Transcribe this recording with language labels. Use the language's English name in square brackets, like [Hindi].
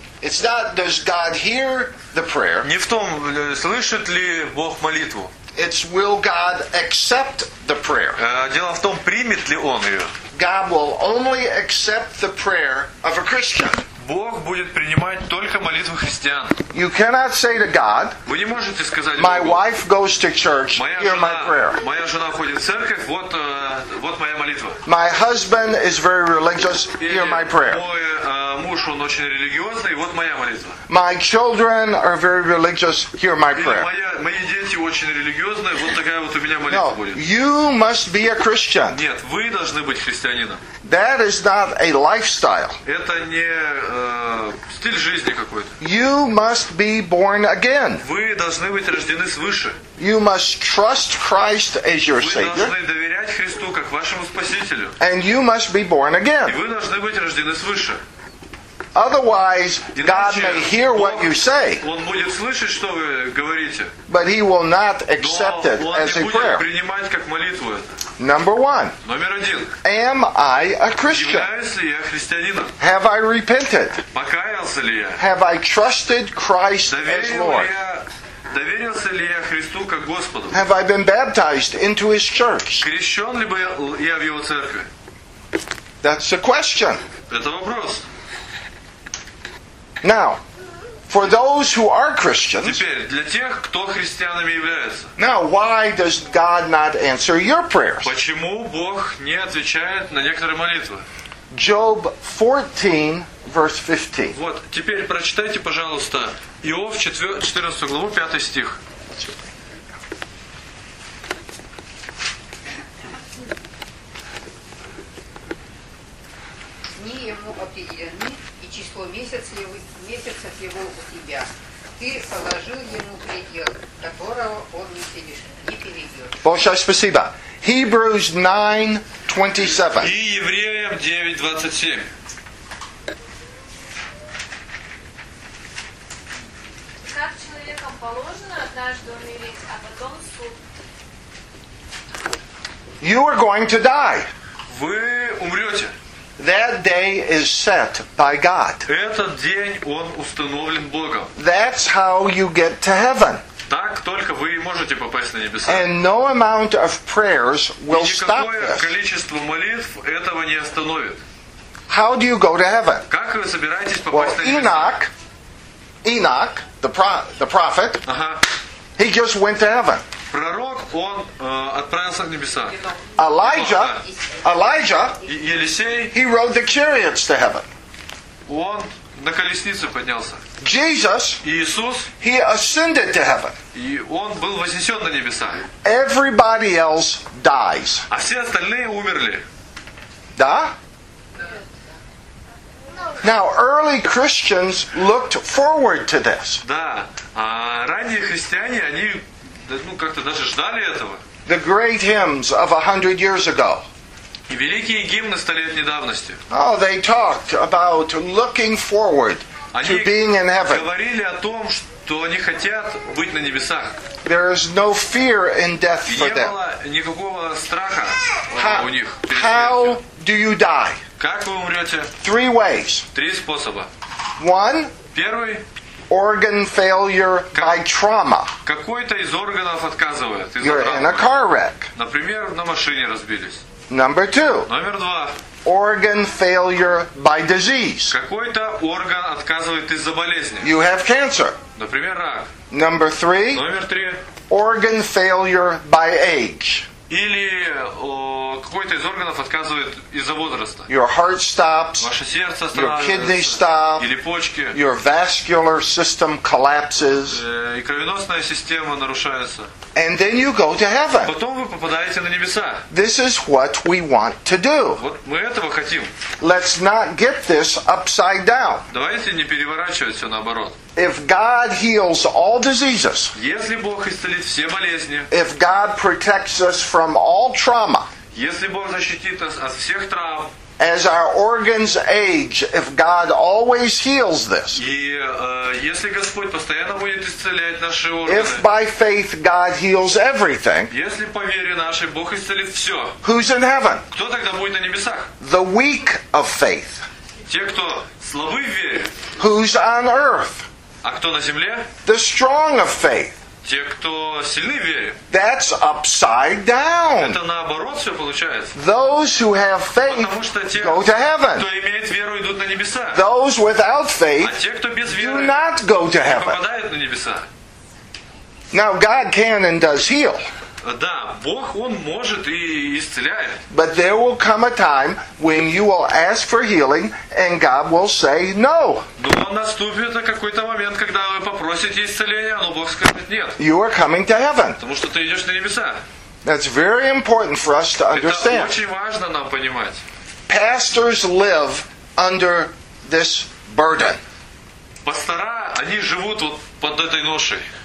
[English] It's not does God hear the prayer. [Russian] Не в том, слышит ли Бог молитву. [English] It's will God accept the prayer. [Russian] Дело в том, примет ли он ее. [English] God will only accept the prayer of a Christian. [Russian] Бог будет принимать только молитву христиан. [English] You cannot say to God. [Russian] Вы не можете сказать Богу. [English] My wife goes to church. Hear my prayer. [Russian] Моя жена ходит в церковь. Вот моя молитва. [English] My husband is very religious. Hear my prayer. [Russian] Мой муж, он очень религиозный, вот моя молитва. [English] My children are very religious, hear my prayer. [Russian] Мои дети очень религиозные, вот такая вот у меня молитва будет. [English] You must be a Christian. [Russian] Нет, вы должны быть христианином. [English] That is not a lifestyle. [Russian] Это не стиль жизни какой-то. [English] You must be born again. [Russian] Вы должны быть рождены свыше. [English] You must trust Christ as your Savior. [Russian] Вы должны доверять Христу как вашему спасителю. [English] And you must be born again. [Russian] И вы должны быть рождены свыше. [English] Otherwise, [Russian] иначе [English] God may hear [Russian] Бог, [English] what you say. [Russian] Он будет слышать, что вы говорите. [English] But he will not accept it as a prayer. [Russian] Но он не будет принимать как молитву это. [English] Number one. [Russian] Номер один. [English] Am I a Christian? [Russian] Являюсь ли я христианином? [English] Have I repented? [Russian] Покаялся ли я? [English] Have I trusted Christ as Lord? [Russian] Доверился ли я Христу как Господу? [English] Have I been baptized into his church? [Russian] Крещен ли я в его церкви? [English] That's a question. [Russian] Это вопрос. [English] Now, for those who are Christians, [Russian] теперь, для тех, кто христианами является, [English] now, why does God not answer your prayers? [Russian] Почему Бог не отвечает на некоторые молитвы? [English] Job 14, verse 15. [Russian] Вот, теперь прочитайте, пожалуйста, Иов 14 главу, 5 стих. Дни ему определены, и число месяцев его у тебя. Ты положил ему предел, которого он не перейдет. Большое спасибо. [English] Hebrews 9:27. [Russian] И Евреям 9:27. Как человеком положено однажды умереть, а потом суд? [English] You are going to die. [Russian] Вы умрете. [English] That day is set by God. [Russian] Этот день он установлен Богом. [English] That's how you get to heaven. [Russian] Так только вы и можете попасть на небеса. [English] And no amount of prayers will stop this. [Russian] И никакое количество молитв этого не остановит. [English] How do you go to heaven? [Russian] Как вы собираетесь попасть well, на небеса? [English] Well, Enoch, the prophet, he just went to heaven. [Russian] Пророк, он отправился на небеса. [English] Elijah, [Russian] Елисей, [English] he rode the chariots to heaven. [Russian] Он на колеснице поднялся. [English] Jesus, [Russian] Иисус, [English] he ascended to heaven. [Russian] И он был вознесен на небеса. [English] Everybody else dies. [Russian] А все остальные умерли. Да? [English] Now, early Christians looked forward to this. [Russian] Да, ранние христиане, они как-то даже ждали этого. [English] The great hymns of 100 years ago. [Russian] И великие гимны 100-летней давности. [English] Oh, they talked about looking forward to being in heaven. [Russian] Они говорили о том, что они хотят быть на небесах. [English] There is no fear in death for them. [Russian] Не было никакого страха у них. [English] How do you die? [Russian] Как вы умрете? [English] Three ways. [Russian] Три способа. [English] One. [Russian] Первый. [English] Organ failure by trauma. [Russian] Какой-то из органов отказывает. [English] You're in a car wreck. [Russian] Например, на машине разбились. [English] Number two. [Russian] Номер два. [English] Organ failure by disease. [Russian] Какой-то орган отказывает из-за болезни. [English] You have cancer. [Russian] Например, рак. [English] Number three. [Russian] Номер три. [English] Organ failure by age. [Russian] Или какой-то из органов отказывает из-за возраста. [English] Your heart stops. [Russian] Ваше сердце останавливается. [English] Your kidney stops. [Russian] Или почки. [English] Your vascular system collapses. [Russian] И кровеносная система нарушается. [English] And then you go to heaven. [Russian] Потом вы попадаете на небеса. [English] This is what we want to do. [Russian] Вот мы этого хотим. [English] Let's not get this upside down. [Russian] Давайте не переворачивать все наоборот. [English] If God heals all diseases. [Russian] Если Бог исцелит все болезни. [English] If God protects us from all trauma. [Russian] Если Бог защитит нас от всех травм. [English] As our organs age, if God always heals this. [Russian] И если Господь постоянно будет исцелять наши органы. [English] If by faith God heals everything. [Russian] Если по вере нашей Бог исцелит все. [English] Who's in heaven? [Russian] Кто тогда будет на небесах? [English] The weak of faith. [Russian] Те, кто слабы в вере. [English] Who's on earth? [Russian] А кто на земле? [English] The strong of faith. [Russian] Те, кто сильны в вере. [English] That's upside down. [Russian] Это наоборот все получается. [English] Those who have faith, [Russian] потому что те, [English] go to heaven. [Russian] Кто имеет веру, идут на небеса. [English] Those without faith, [Russian] а те, кто без веры, [English] do not go to heaven. [Russian] Попадают на небеса. [English] Now God can and does heal. [Russian] Да, Бог, Он может и исцеляет. [English] But there will come a time when you will ask for healing and God will say no. [Russian] Но наступит какой-то момент, когда вы попросите исцеление, но Бог скажет нет. [English] You are coming to heaven. [Russian] Потому что ты идешь на небеса. [English] That's very important for us to understand. [Russian] Это очень важно нам понимать. [English] Pastors live under this burden. [Russian] Пастора, они живут вот под этой ношей.